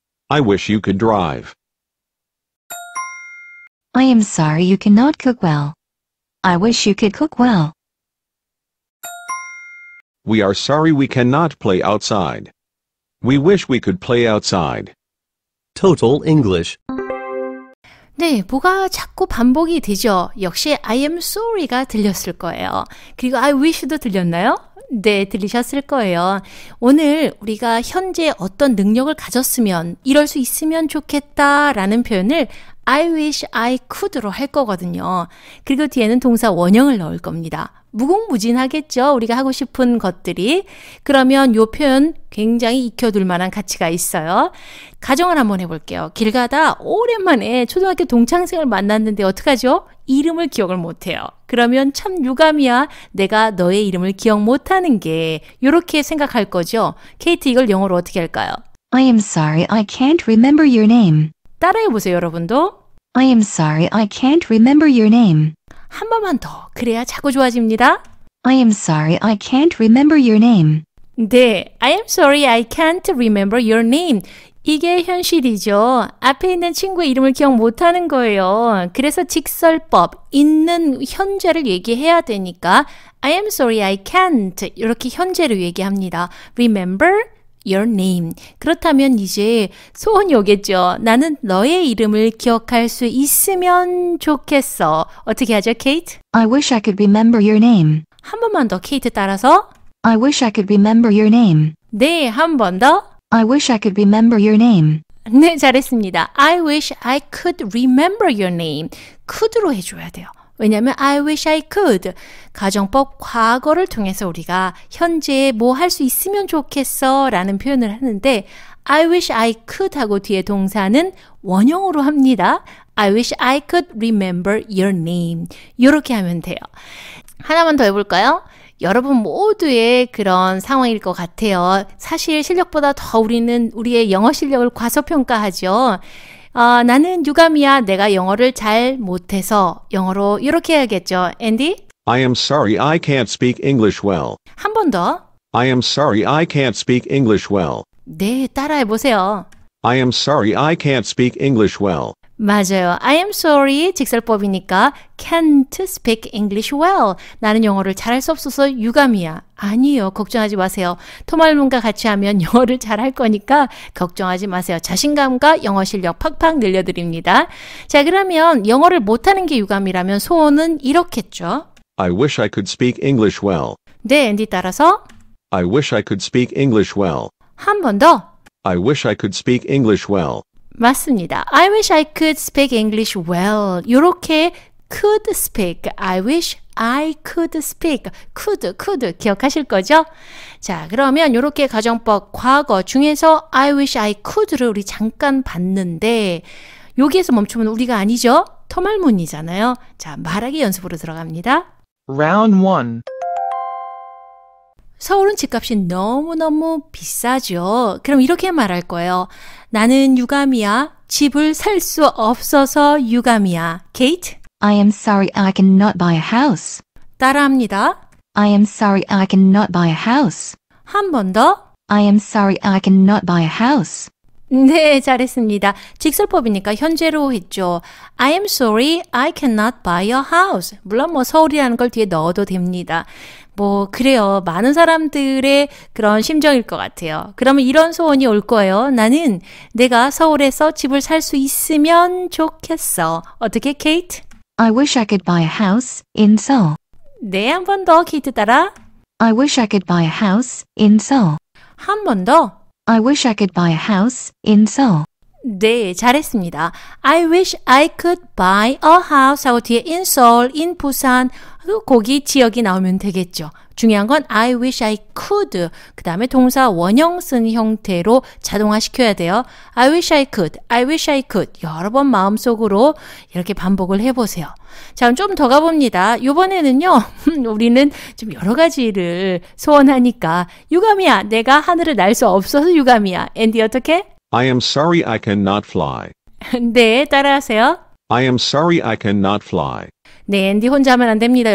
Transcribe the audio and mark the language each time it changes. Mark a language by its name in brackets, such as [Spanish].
[English] I wish you could drive. I am sorry you cannot cook well. I wish you could cook well. We are sorry we cannot play outside. We wish we could play outside. Total English. [Korean] 네, 뭐가 자꾸 반복이 되죠? 역시 [English] I am sorry [Korean] 가 들렸을 거예요. 그리고 [English] I wish [Korean] 도 들렸나요? 네, 들리셨을 거예요. 오늘 우리가 현재 어떤 능력을 가졌으면, 이럴 수 있으면 좋겠다라는 표현을 [English] I wish I could [Korean] 로 할 거거든요. 그리고 뒤에는 동사 원형을 넣을 겁니다. 무궁무진하겠죠? 우리가 하고 싶은 것들이. 그러면 이 표현 굉장히 익혀둘 만한 가치가 있어요. 가정을 한번 해볼게요. 길 가다 오랜만에 초등학교 동창생을 만났는데 어떡하죠? 이름을 기억을 못해요. 그러면 참 유감이야. 내가 너의 이름을 기억 못하는 게. 이렇게 생각할 거죠? 케이트, 이걸 영어로 어떻게 할까요? [English] I am sorry I can't remember your name. [Korean] 따라해보세요, 여러분도. [English] I am sorry I can't remember your name. [Korean] 한 번만 더. 그래야 자꾸 좋아집니다. [English] I am sorry I can't remember your name. [Korean] 네, [English] I am sorry I can't remember your name. [Korean] 이게 현실이죠. 앞에 있는 친구의 이름을 기억 못하는 거예요. 그래서 직설법, 있는 현재를 얘기해야 되니까 [English] I am sorry I can't [Korean] 이렇게 현재를 얘기합니다. [English] Remember your name. [Korean] 그렇다면 이제 소원이 오겠죠. 나는 너의 이름을 기억할 수 있으면 좋겠어. 어떻게 하죠, 케이트? [English] I wish I could remember your name. [Korean] 한 번만 더, 케이트 따라서. [English] I wish I could remember your name. [Korean] 네, 한 번 더. [English] I wish I could remember your name. [Korean] 네, 잘했습니다. [English] I wish I could remember your name. [Korean] could로 해줘야 돼요. 왜냐하면 [English] I wish I could. [Korean] 가정법 과거를 통해서 우리가 현재에 뭐 할 수 있으면 좋겠어 라는 표현을 하는데 [English] I wish I could [Korean] 하고 뒤에 동사는 원형으로 합니다. [English] I wish I could remember your name. [Korean] 이렇게 하면 돼요. 하나만 더 해볼까요? 여러분 모두의 그런 상황일 것 같아요. 사실 실력보다 더 우리는 우리의 영어 실력을 과소평가하죠. 나는 유감이야. 내가 영어를 잘 못해서 영어로 이렇게 해야겠죠. 앤디? [English] I am sorry I can't speak English well. [Korean] 한 번 더. [English] I am sorry I can't speak English well. [Korean] 네, 따라해 보세요. [English] I am sorry I can't speak English well. [Korean] 맞아요. [English] I am sorry [Korean] 직설법이니까 [English] can't speak English well. [Korean] 나는 영어를 잘할 수 없어서 유감이야. 아니요. 걱정하지 마세요. 토말문과 같이 하면 영어를 잘할 거니까 걱정하지 마세요. 자신감과 영어 실력 팍팍 늘려드립니다. 자, 그러면 영어를 못하는 게 유감이라면 소원은 이렇겠죠. [English] I wish I could speak English well. [Korean] 네, 앤디 따라서. [English] I wish I could speak English well. [Korean] 한 번 더. [English] I wish I could speak English well. [Korean] 맞습니다. [English] I wish I could speak English well. [Korean] 이렇게 [English] could speak. I wish I could speak. [Korean] could 기억하실 거죠? 자, 그러면 이렇게 가정법 과거 중에서 [English] I wish I could [Korean] 를 우리 잠깐 봤는데 여기에서 멈추면 우리가 아니죠? 토말문이잖아요. 자, 말하기 연습으로 들어갑니다. [English] Round 1. [Korean] 서울은 집값이 너무너무 비싸죠. 그럼 이렇게 말할 거예요. 나는 유감이야. 집을 살 수 없어서 유감이야. Kate? [English] I am sorry I cannot buy a house. [Korean] 따라합니다. [English] I am sorry I cannot buy a house. [Korean] 한 번 더. [English] I am sorry I cannot buy a house. [Korean] 네, 잘했습니다. 직설법이니까 현재로 했죠. [English] I am sorry I cannot buy a house. [Korean] 물론 뭐 서울이라는 걸 뒤에 넣어도 됩니다. 뭐 그래요. 많은 사람들의 그런 심정일 것 같아요. 그러면 이런 소원이 올 거예요. 나는 내가 서울에서 집을 살 수 있으면 좋겠어. 어떻게, Kate? [English] I wish I could buy a house in Seoul. [Korean] 네, 한 번 더, Kate 따라. [English] I wish I could buy a house in Seoul. [Korean] 한 번 더. [English] I wish I could buy a house in Seoul. [Korean] 네, 잘했습니다. [English] I wish I could buy a house [Korean] 하고 뒤에 [English] in Seoul, in 부산, [Korean] 거기 지역이 나오면 되겠죠. 중요한 건 [English] I wish I could, [Korean] 그 다음에 동사 원형 쓴 형태로 자동화 시켜야 돼요. [English] I wish I could, I wish I could [Korean] 여러 번 마음속으로 이렇게 반복을 해보세요. 자, 좀 더 가봅니다. 이번에는요, 우리는 좀 여러 가지를 소원하니까 유감이야, 내가 하늘을 날 수 없어서 유감이야. 앤디 어떻게? [English] I am sorry I cannot fly. [Korean] 네, 따라하세요. [English] I am sorry I cannot fly. [Korean] 네, 앤디 혼자 하면 안 됩니다.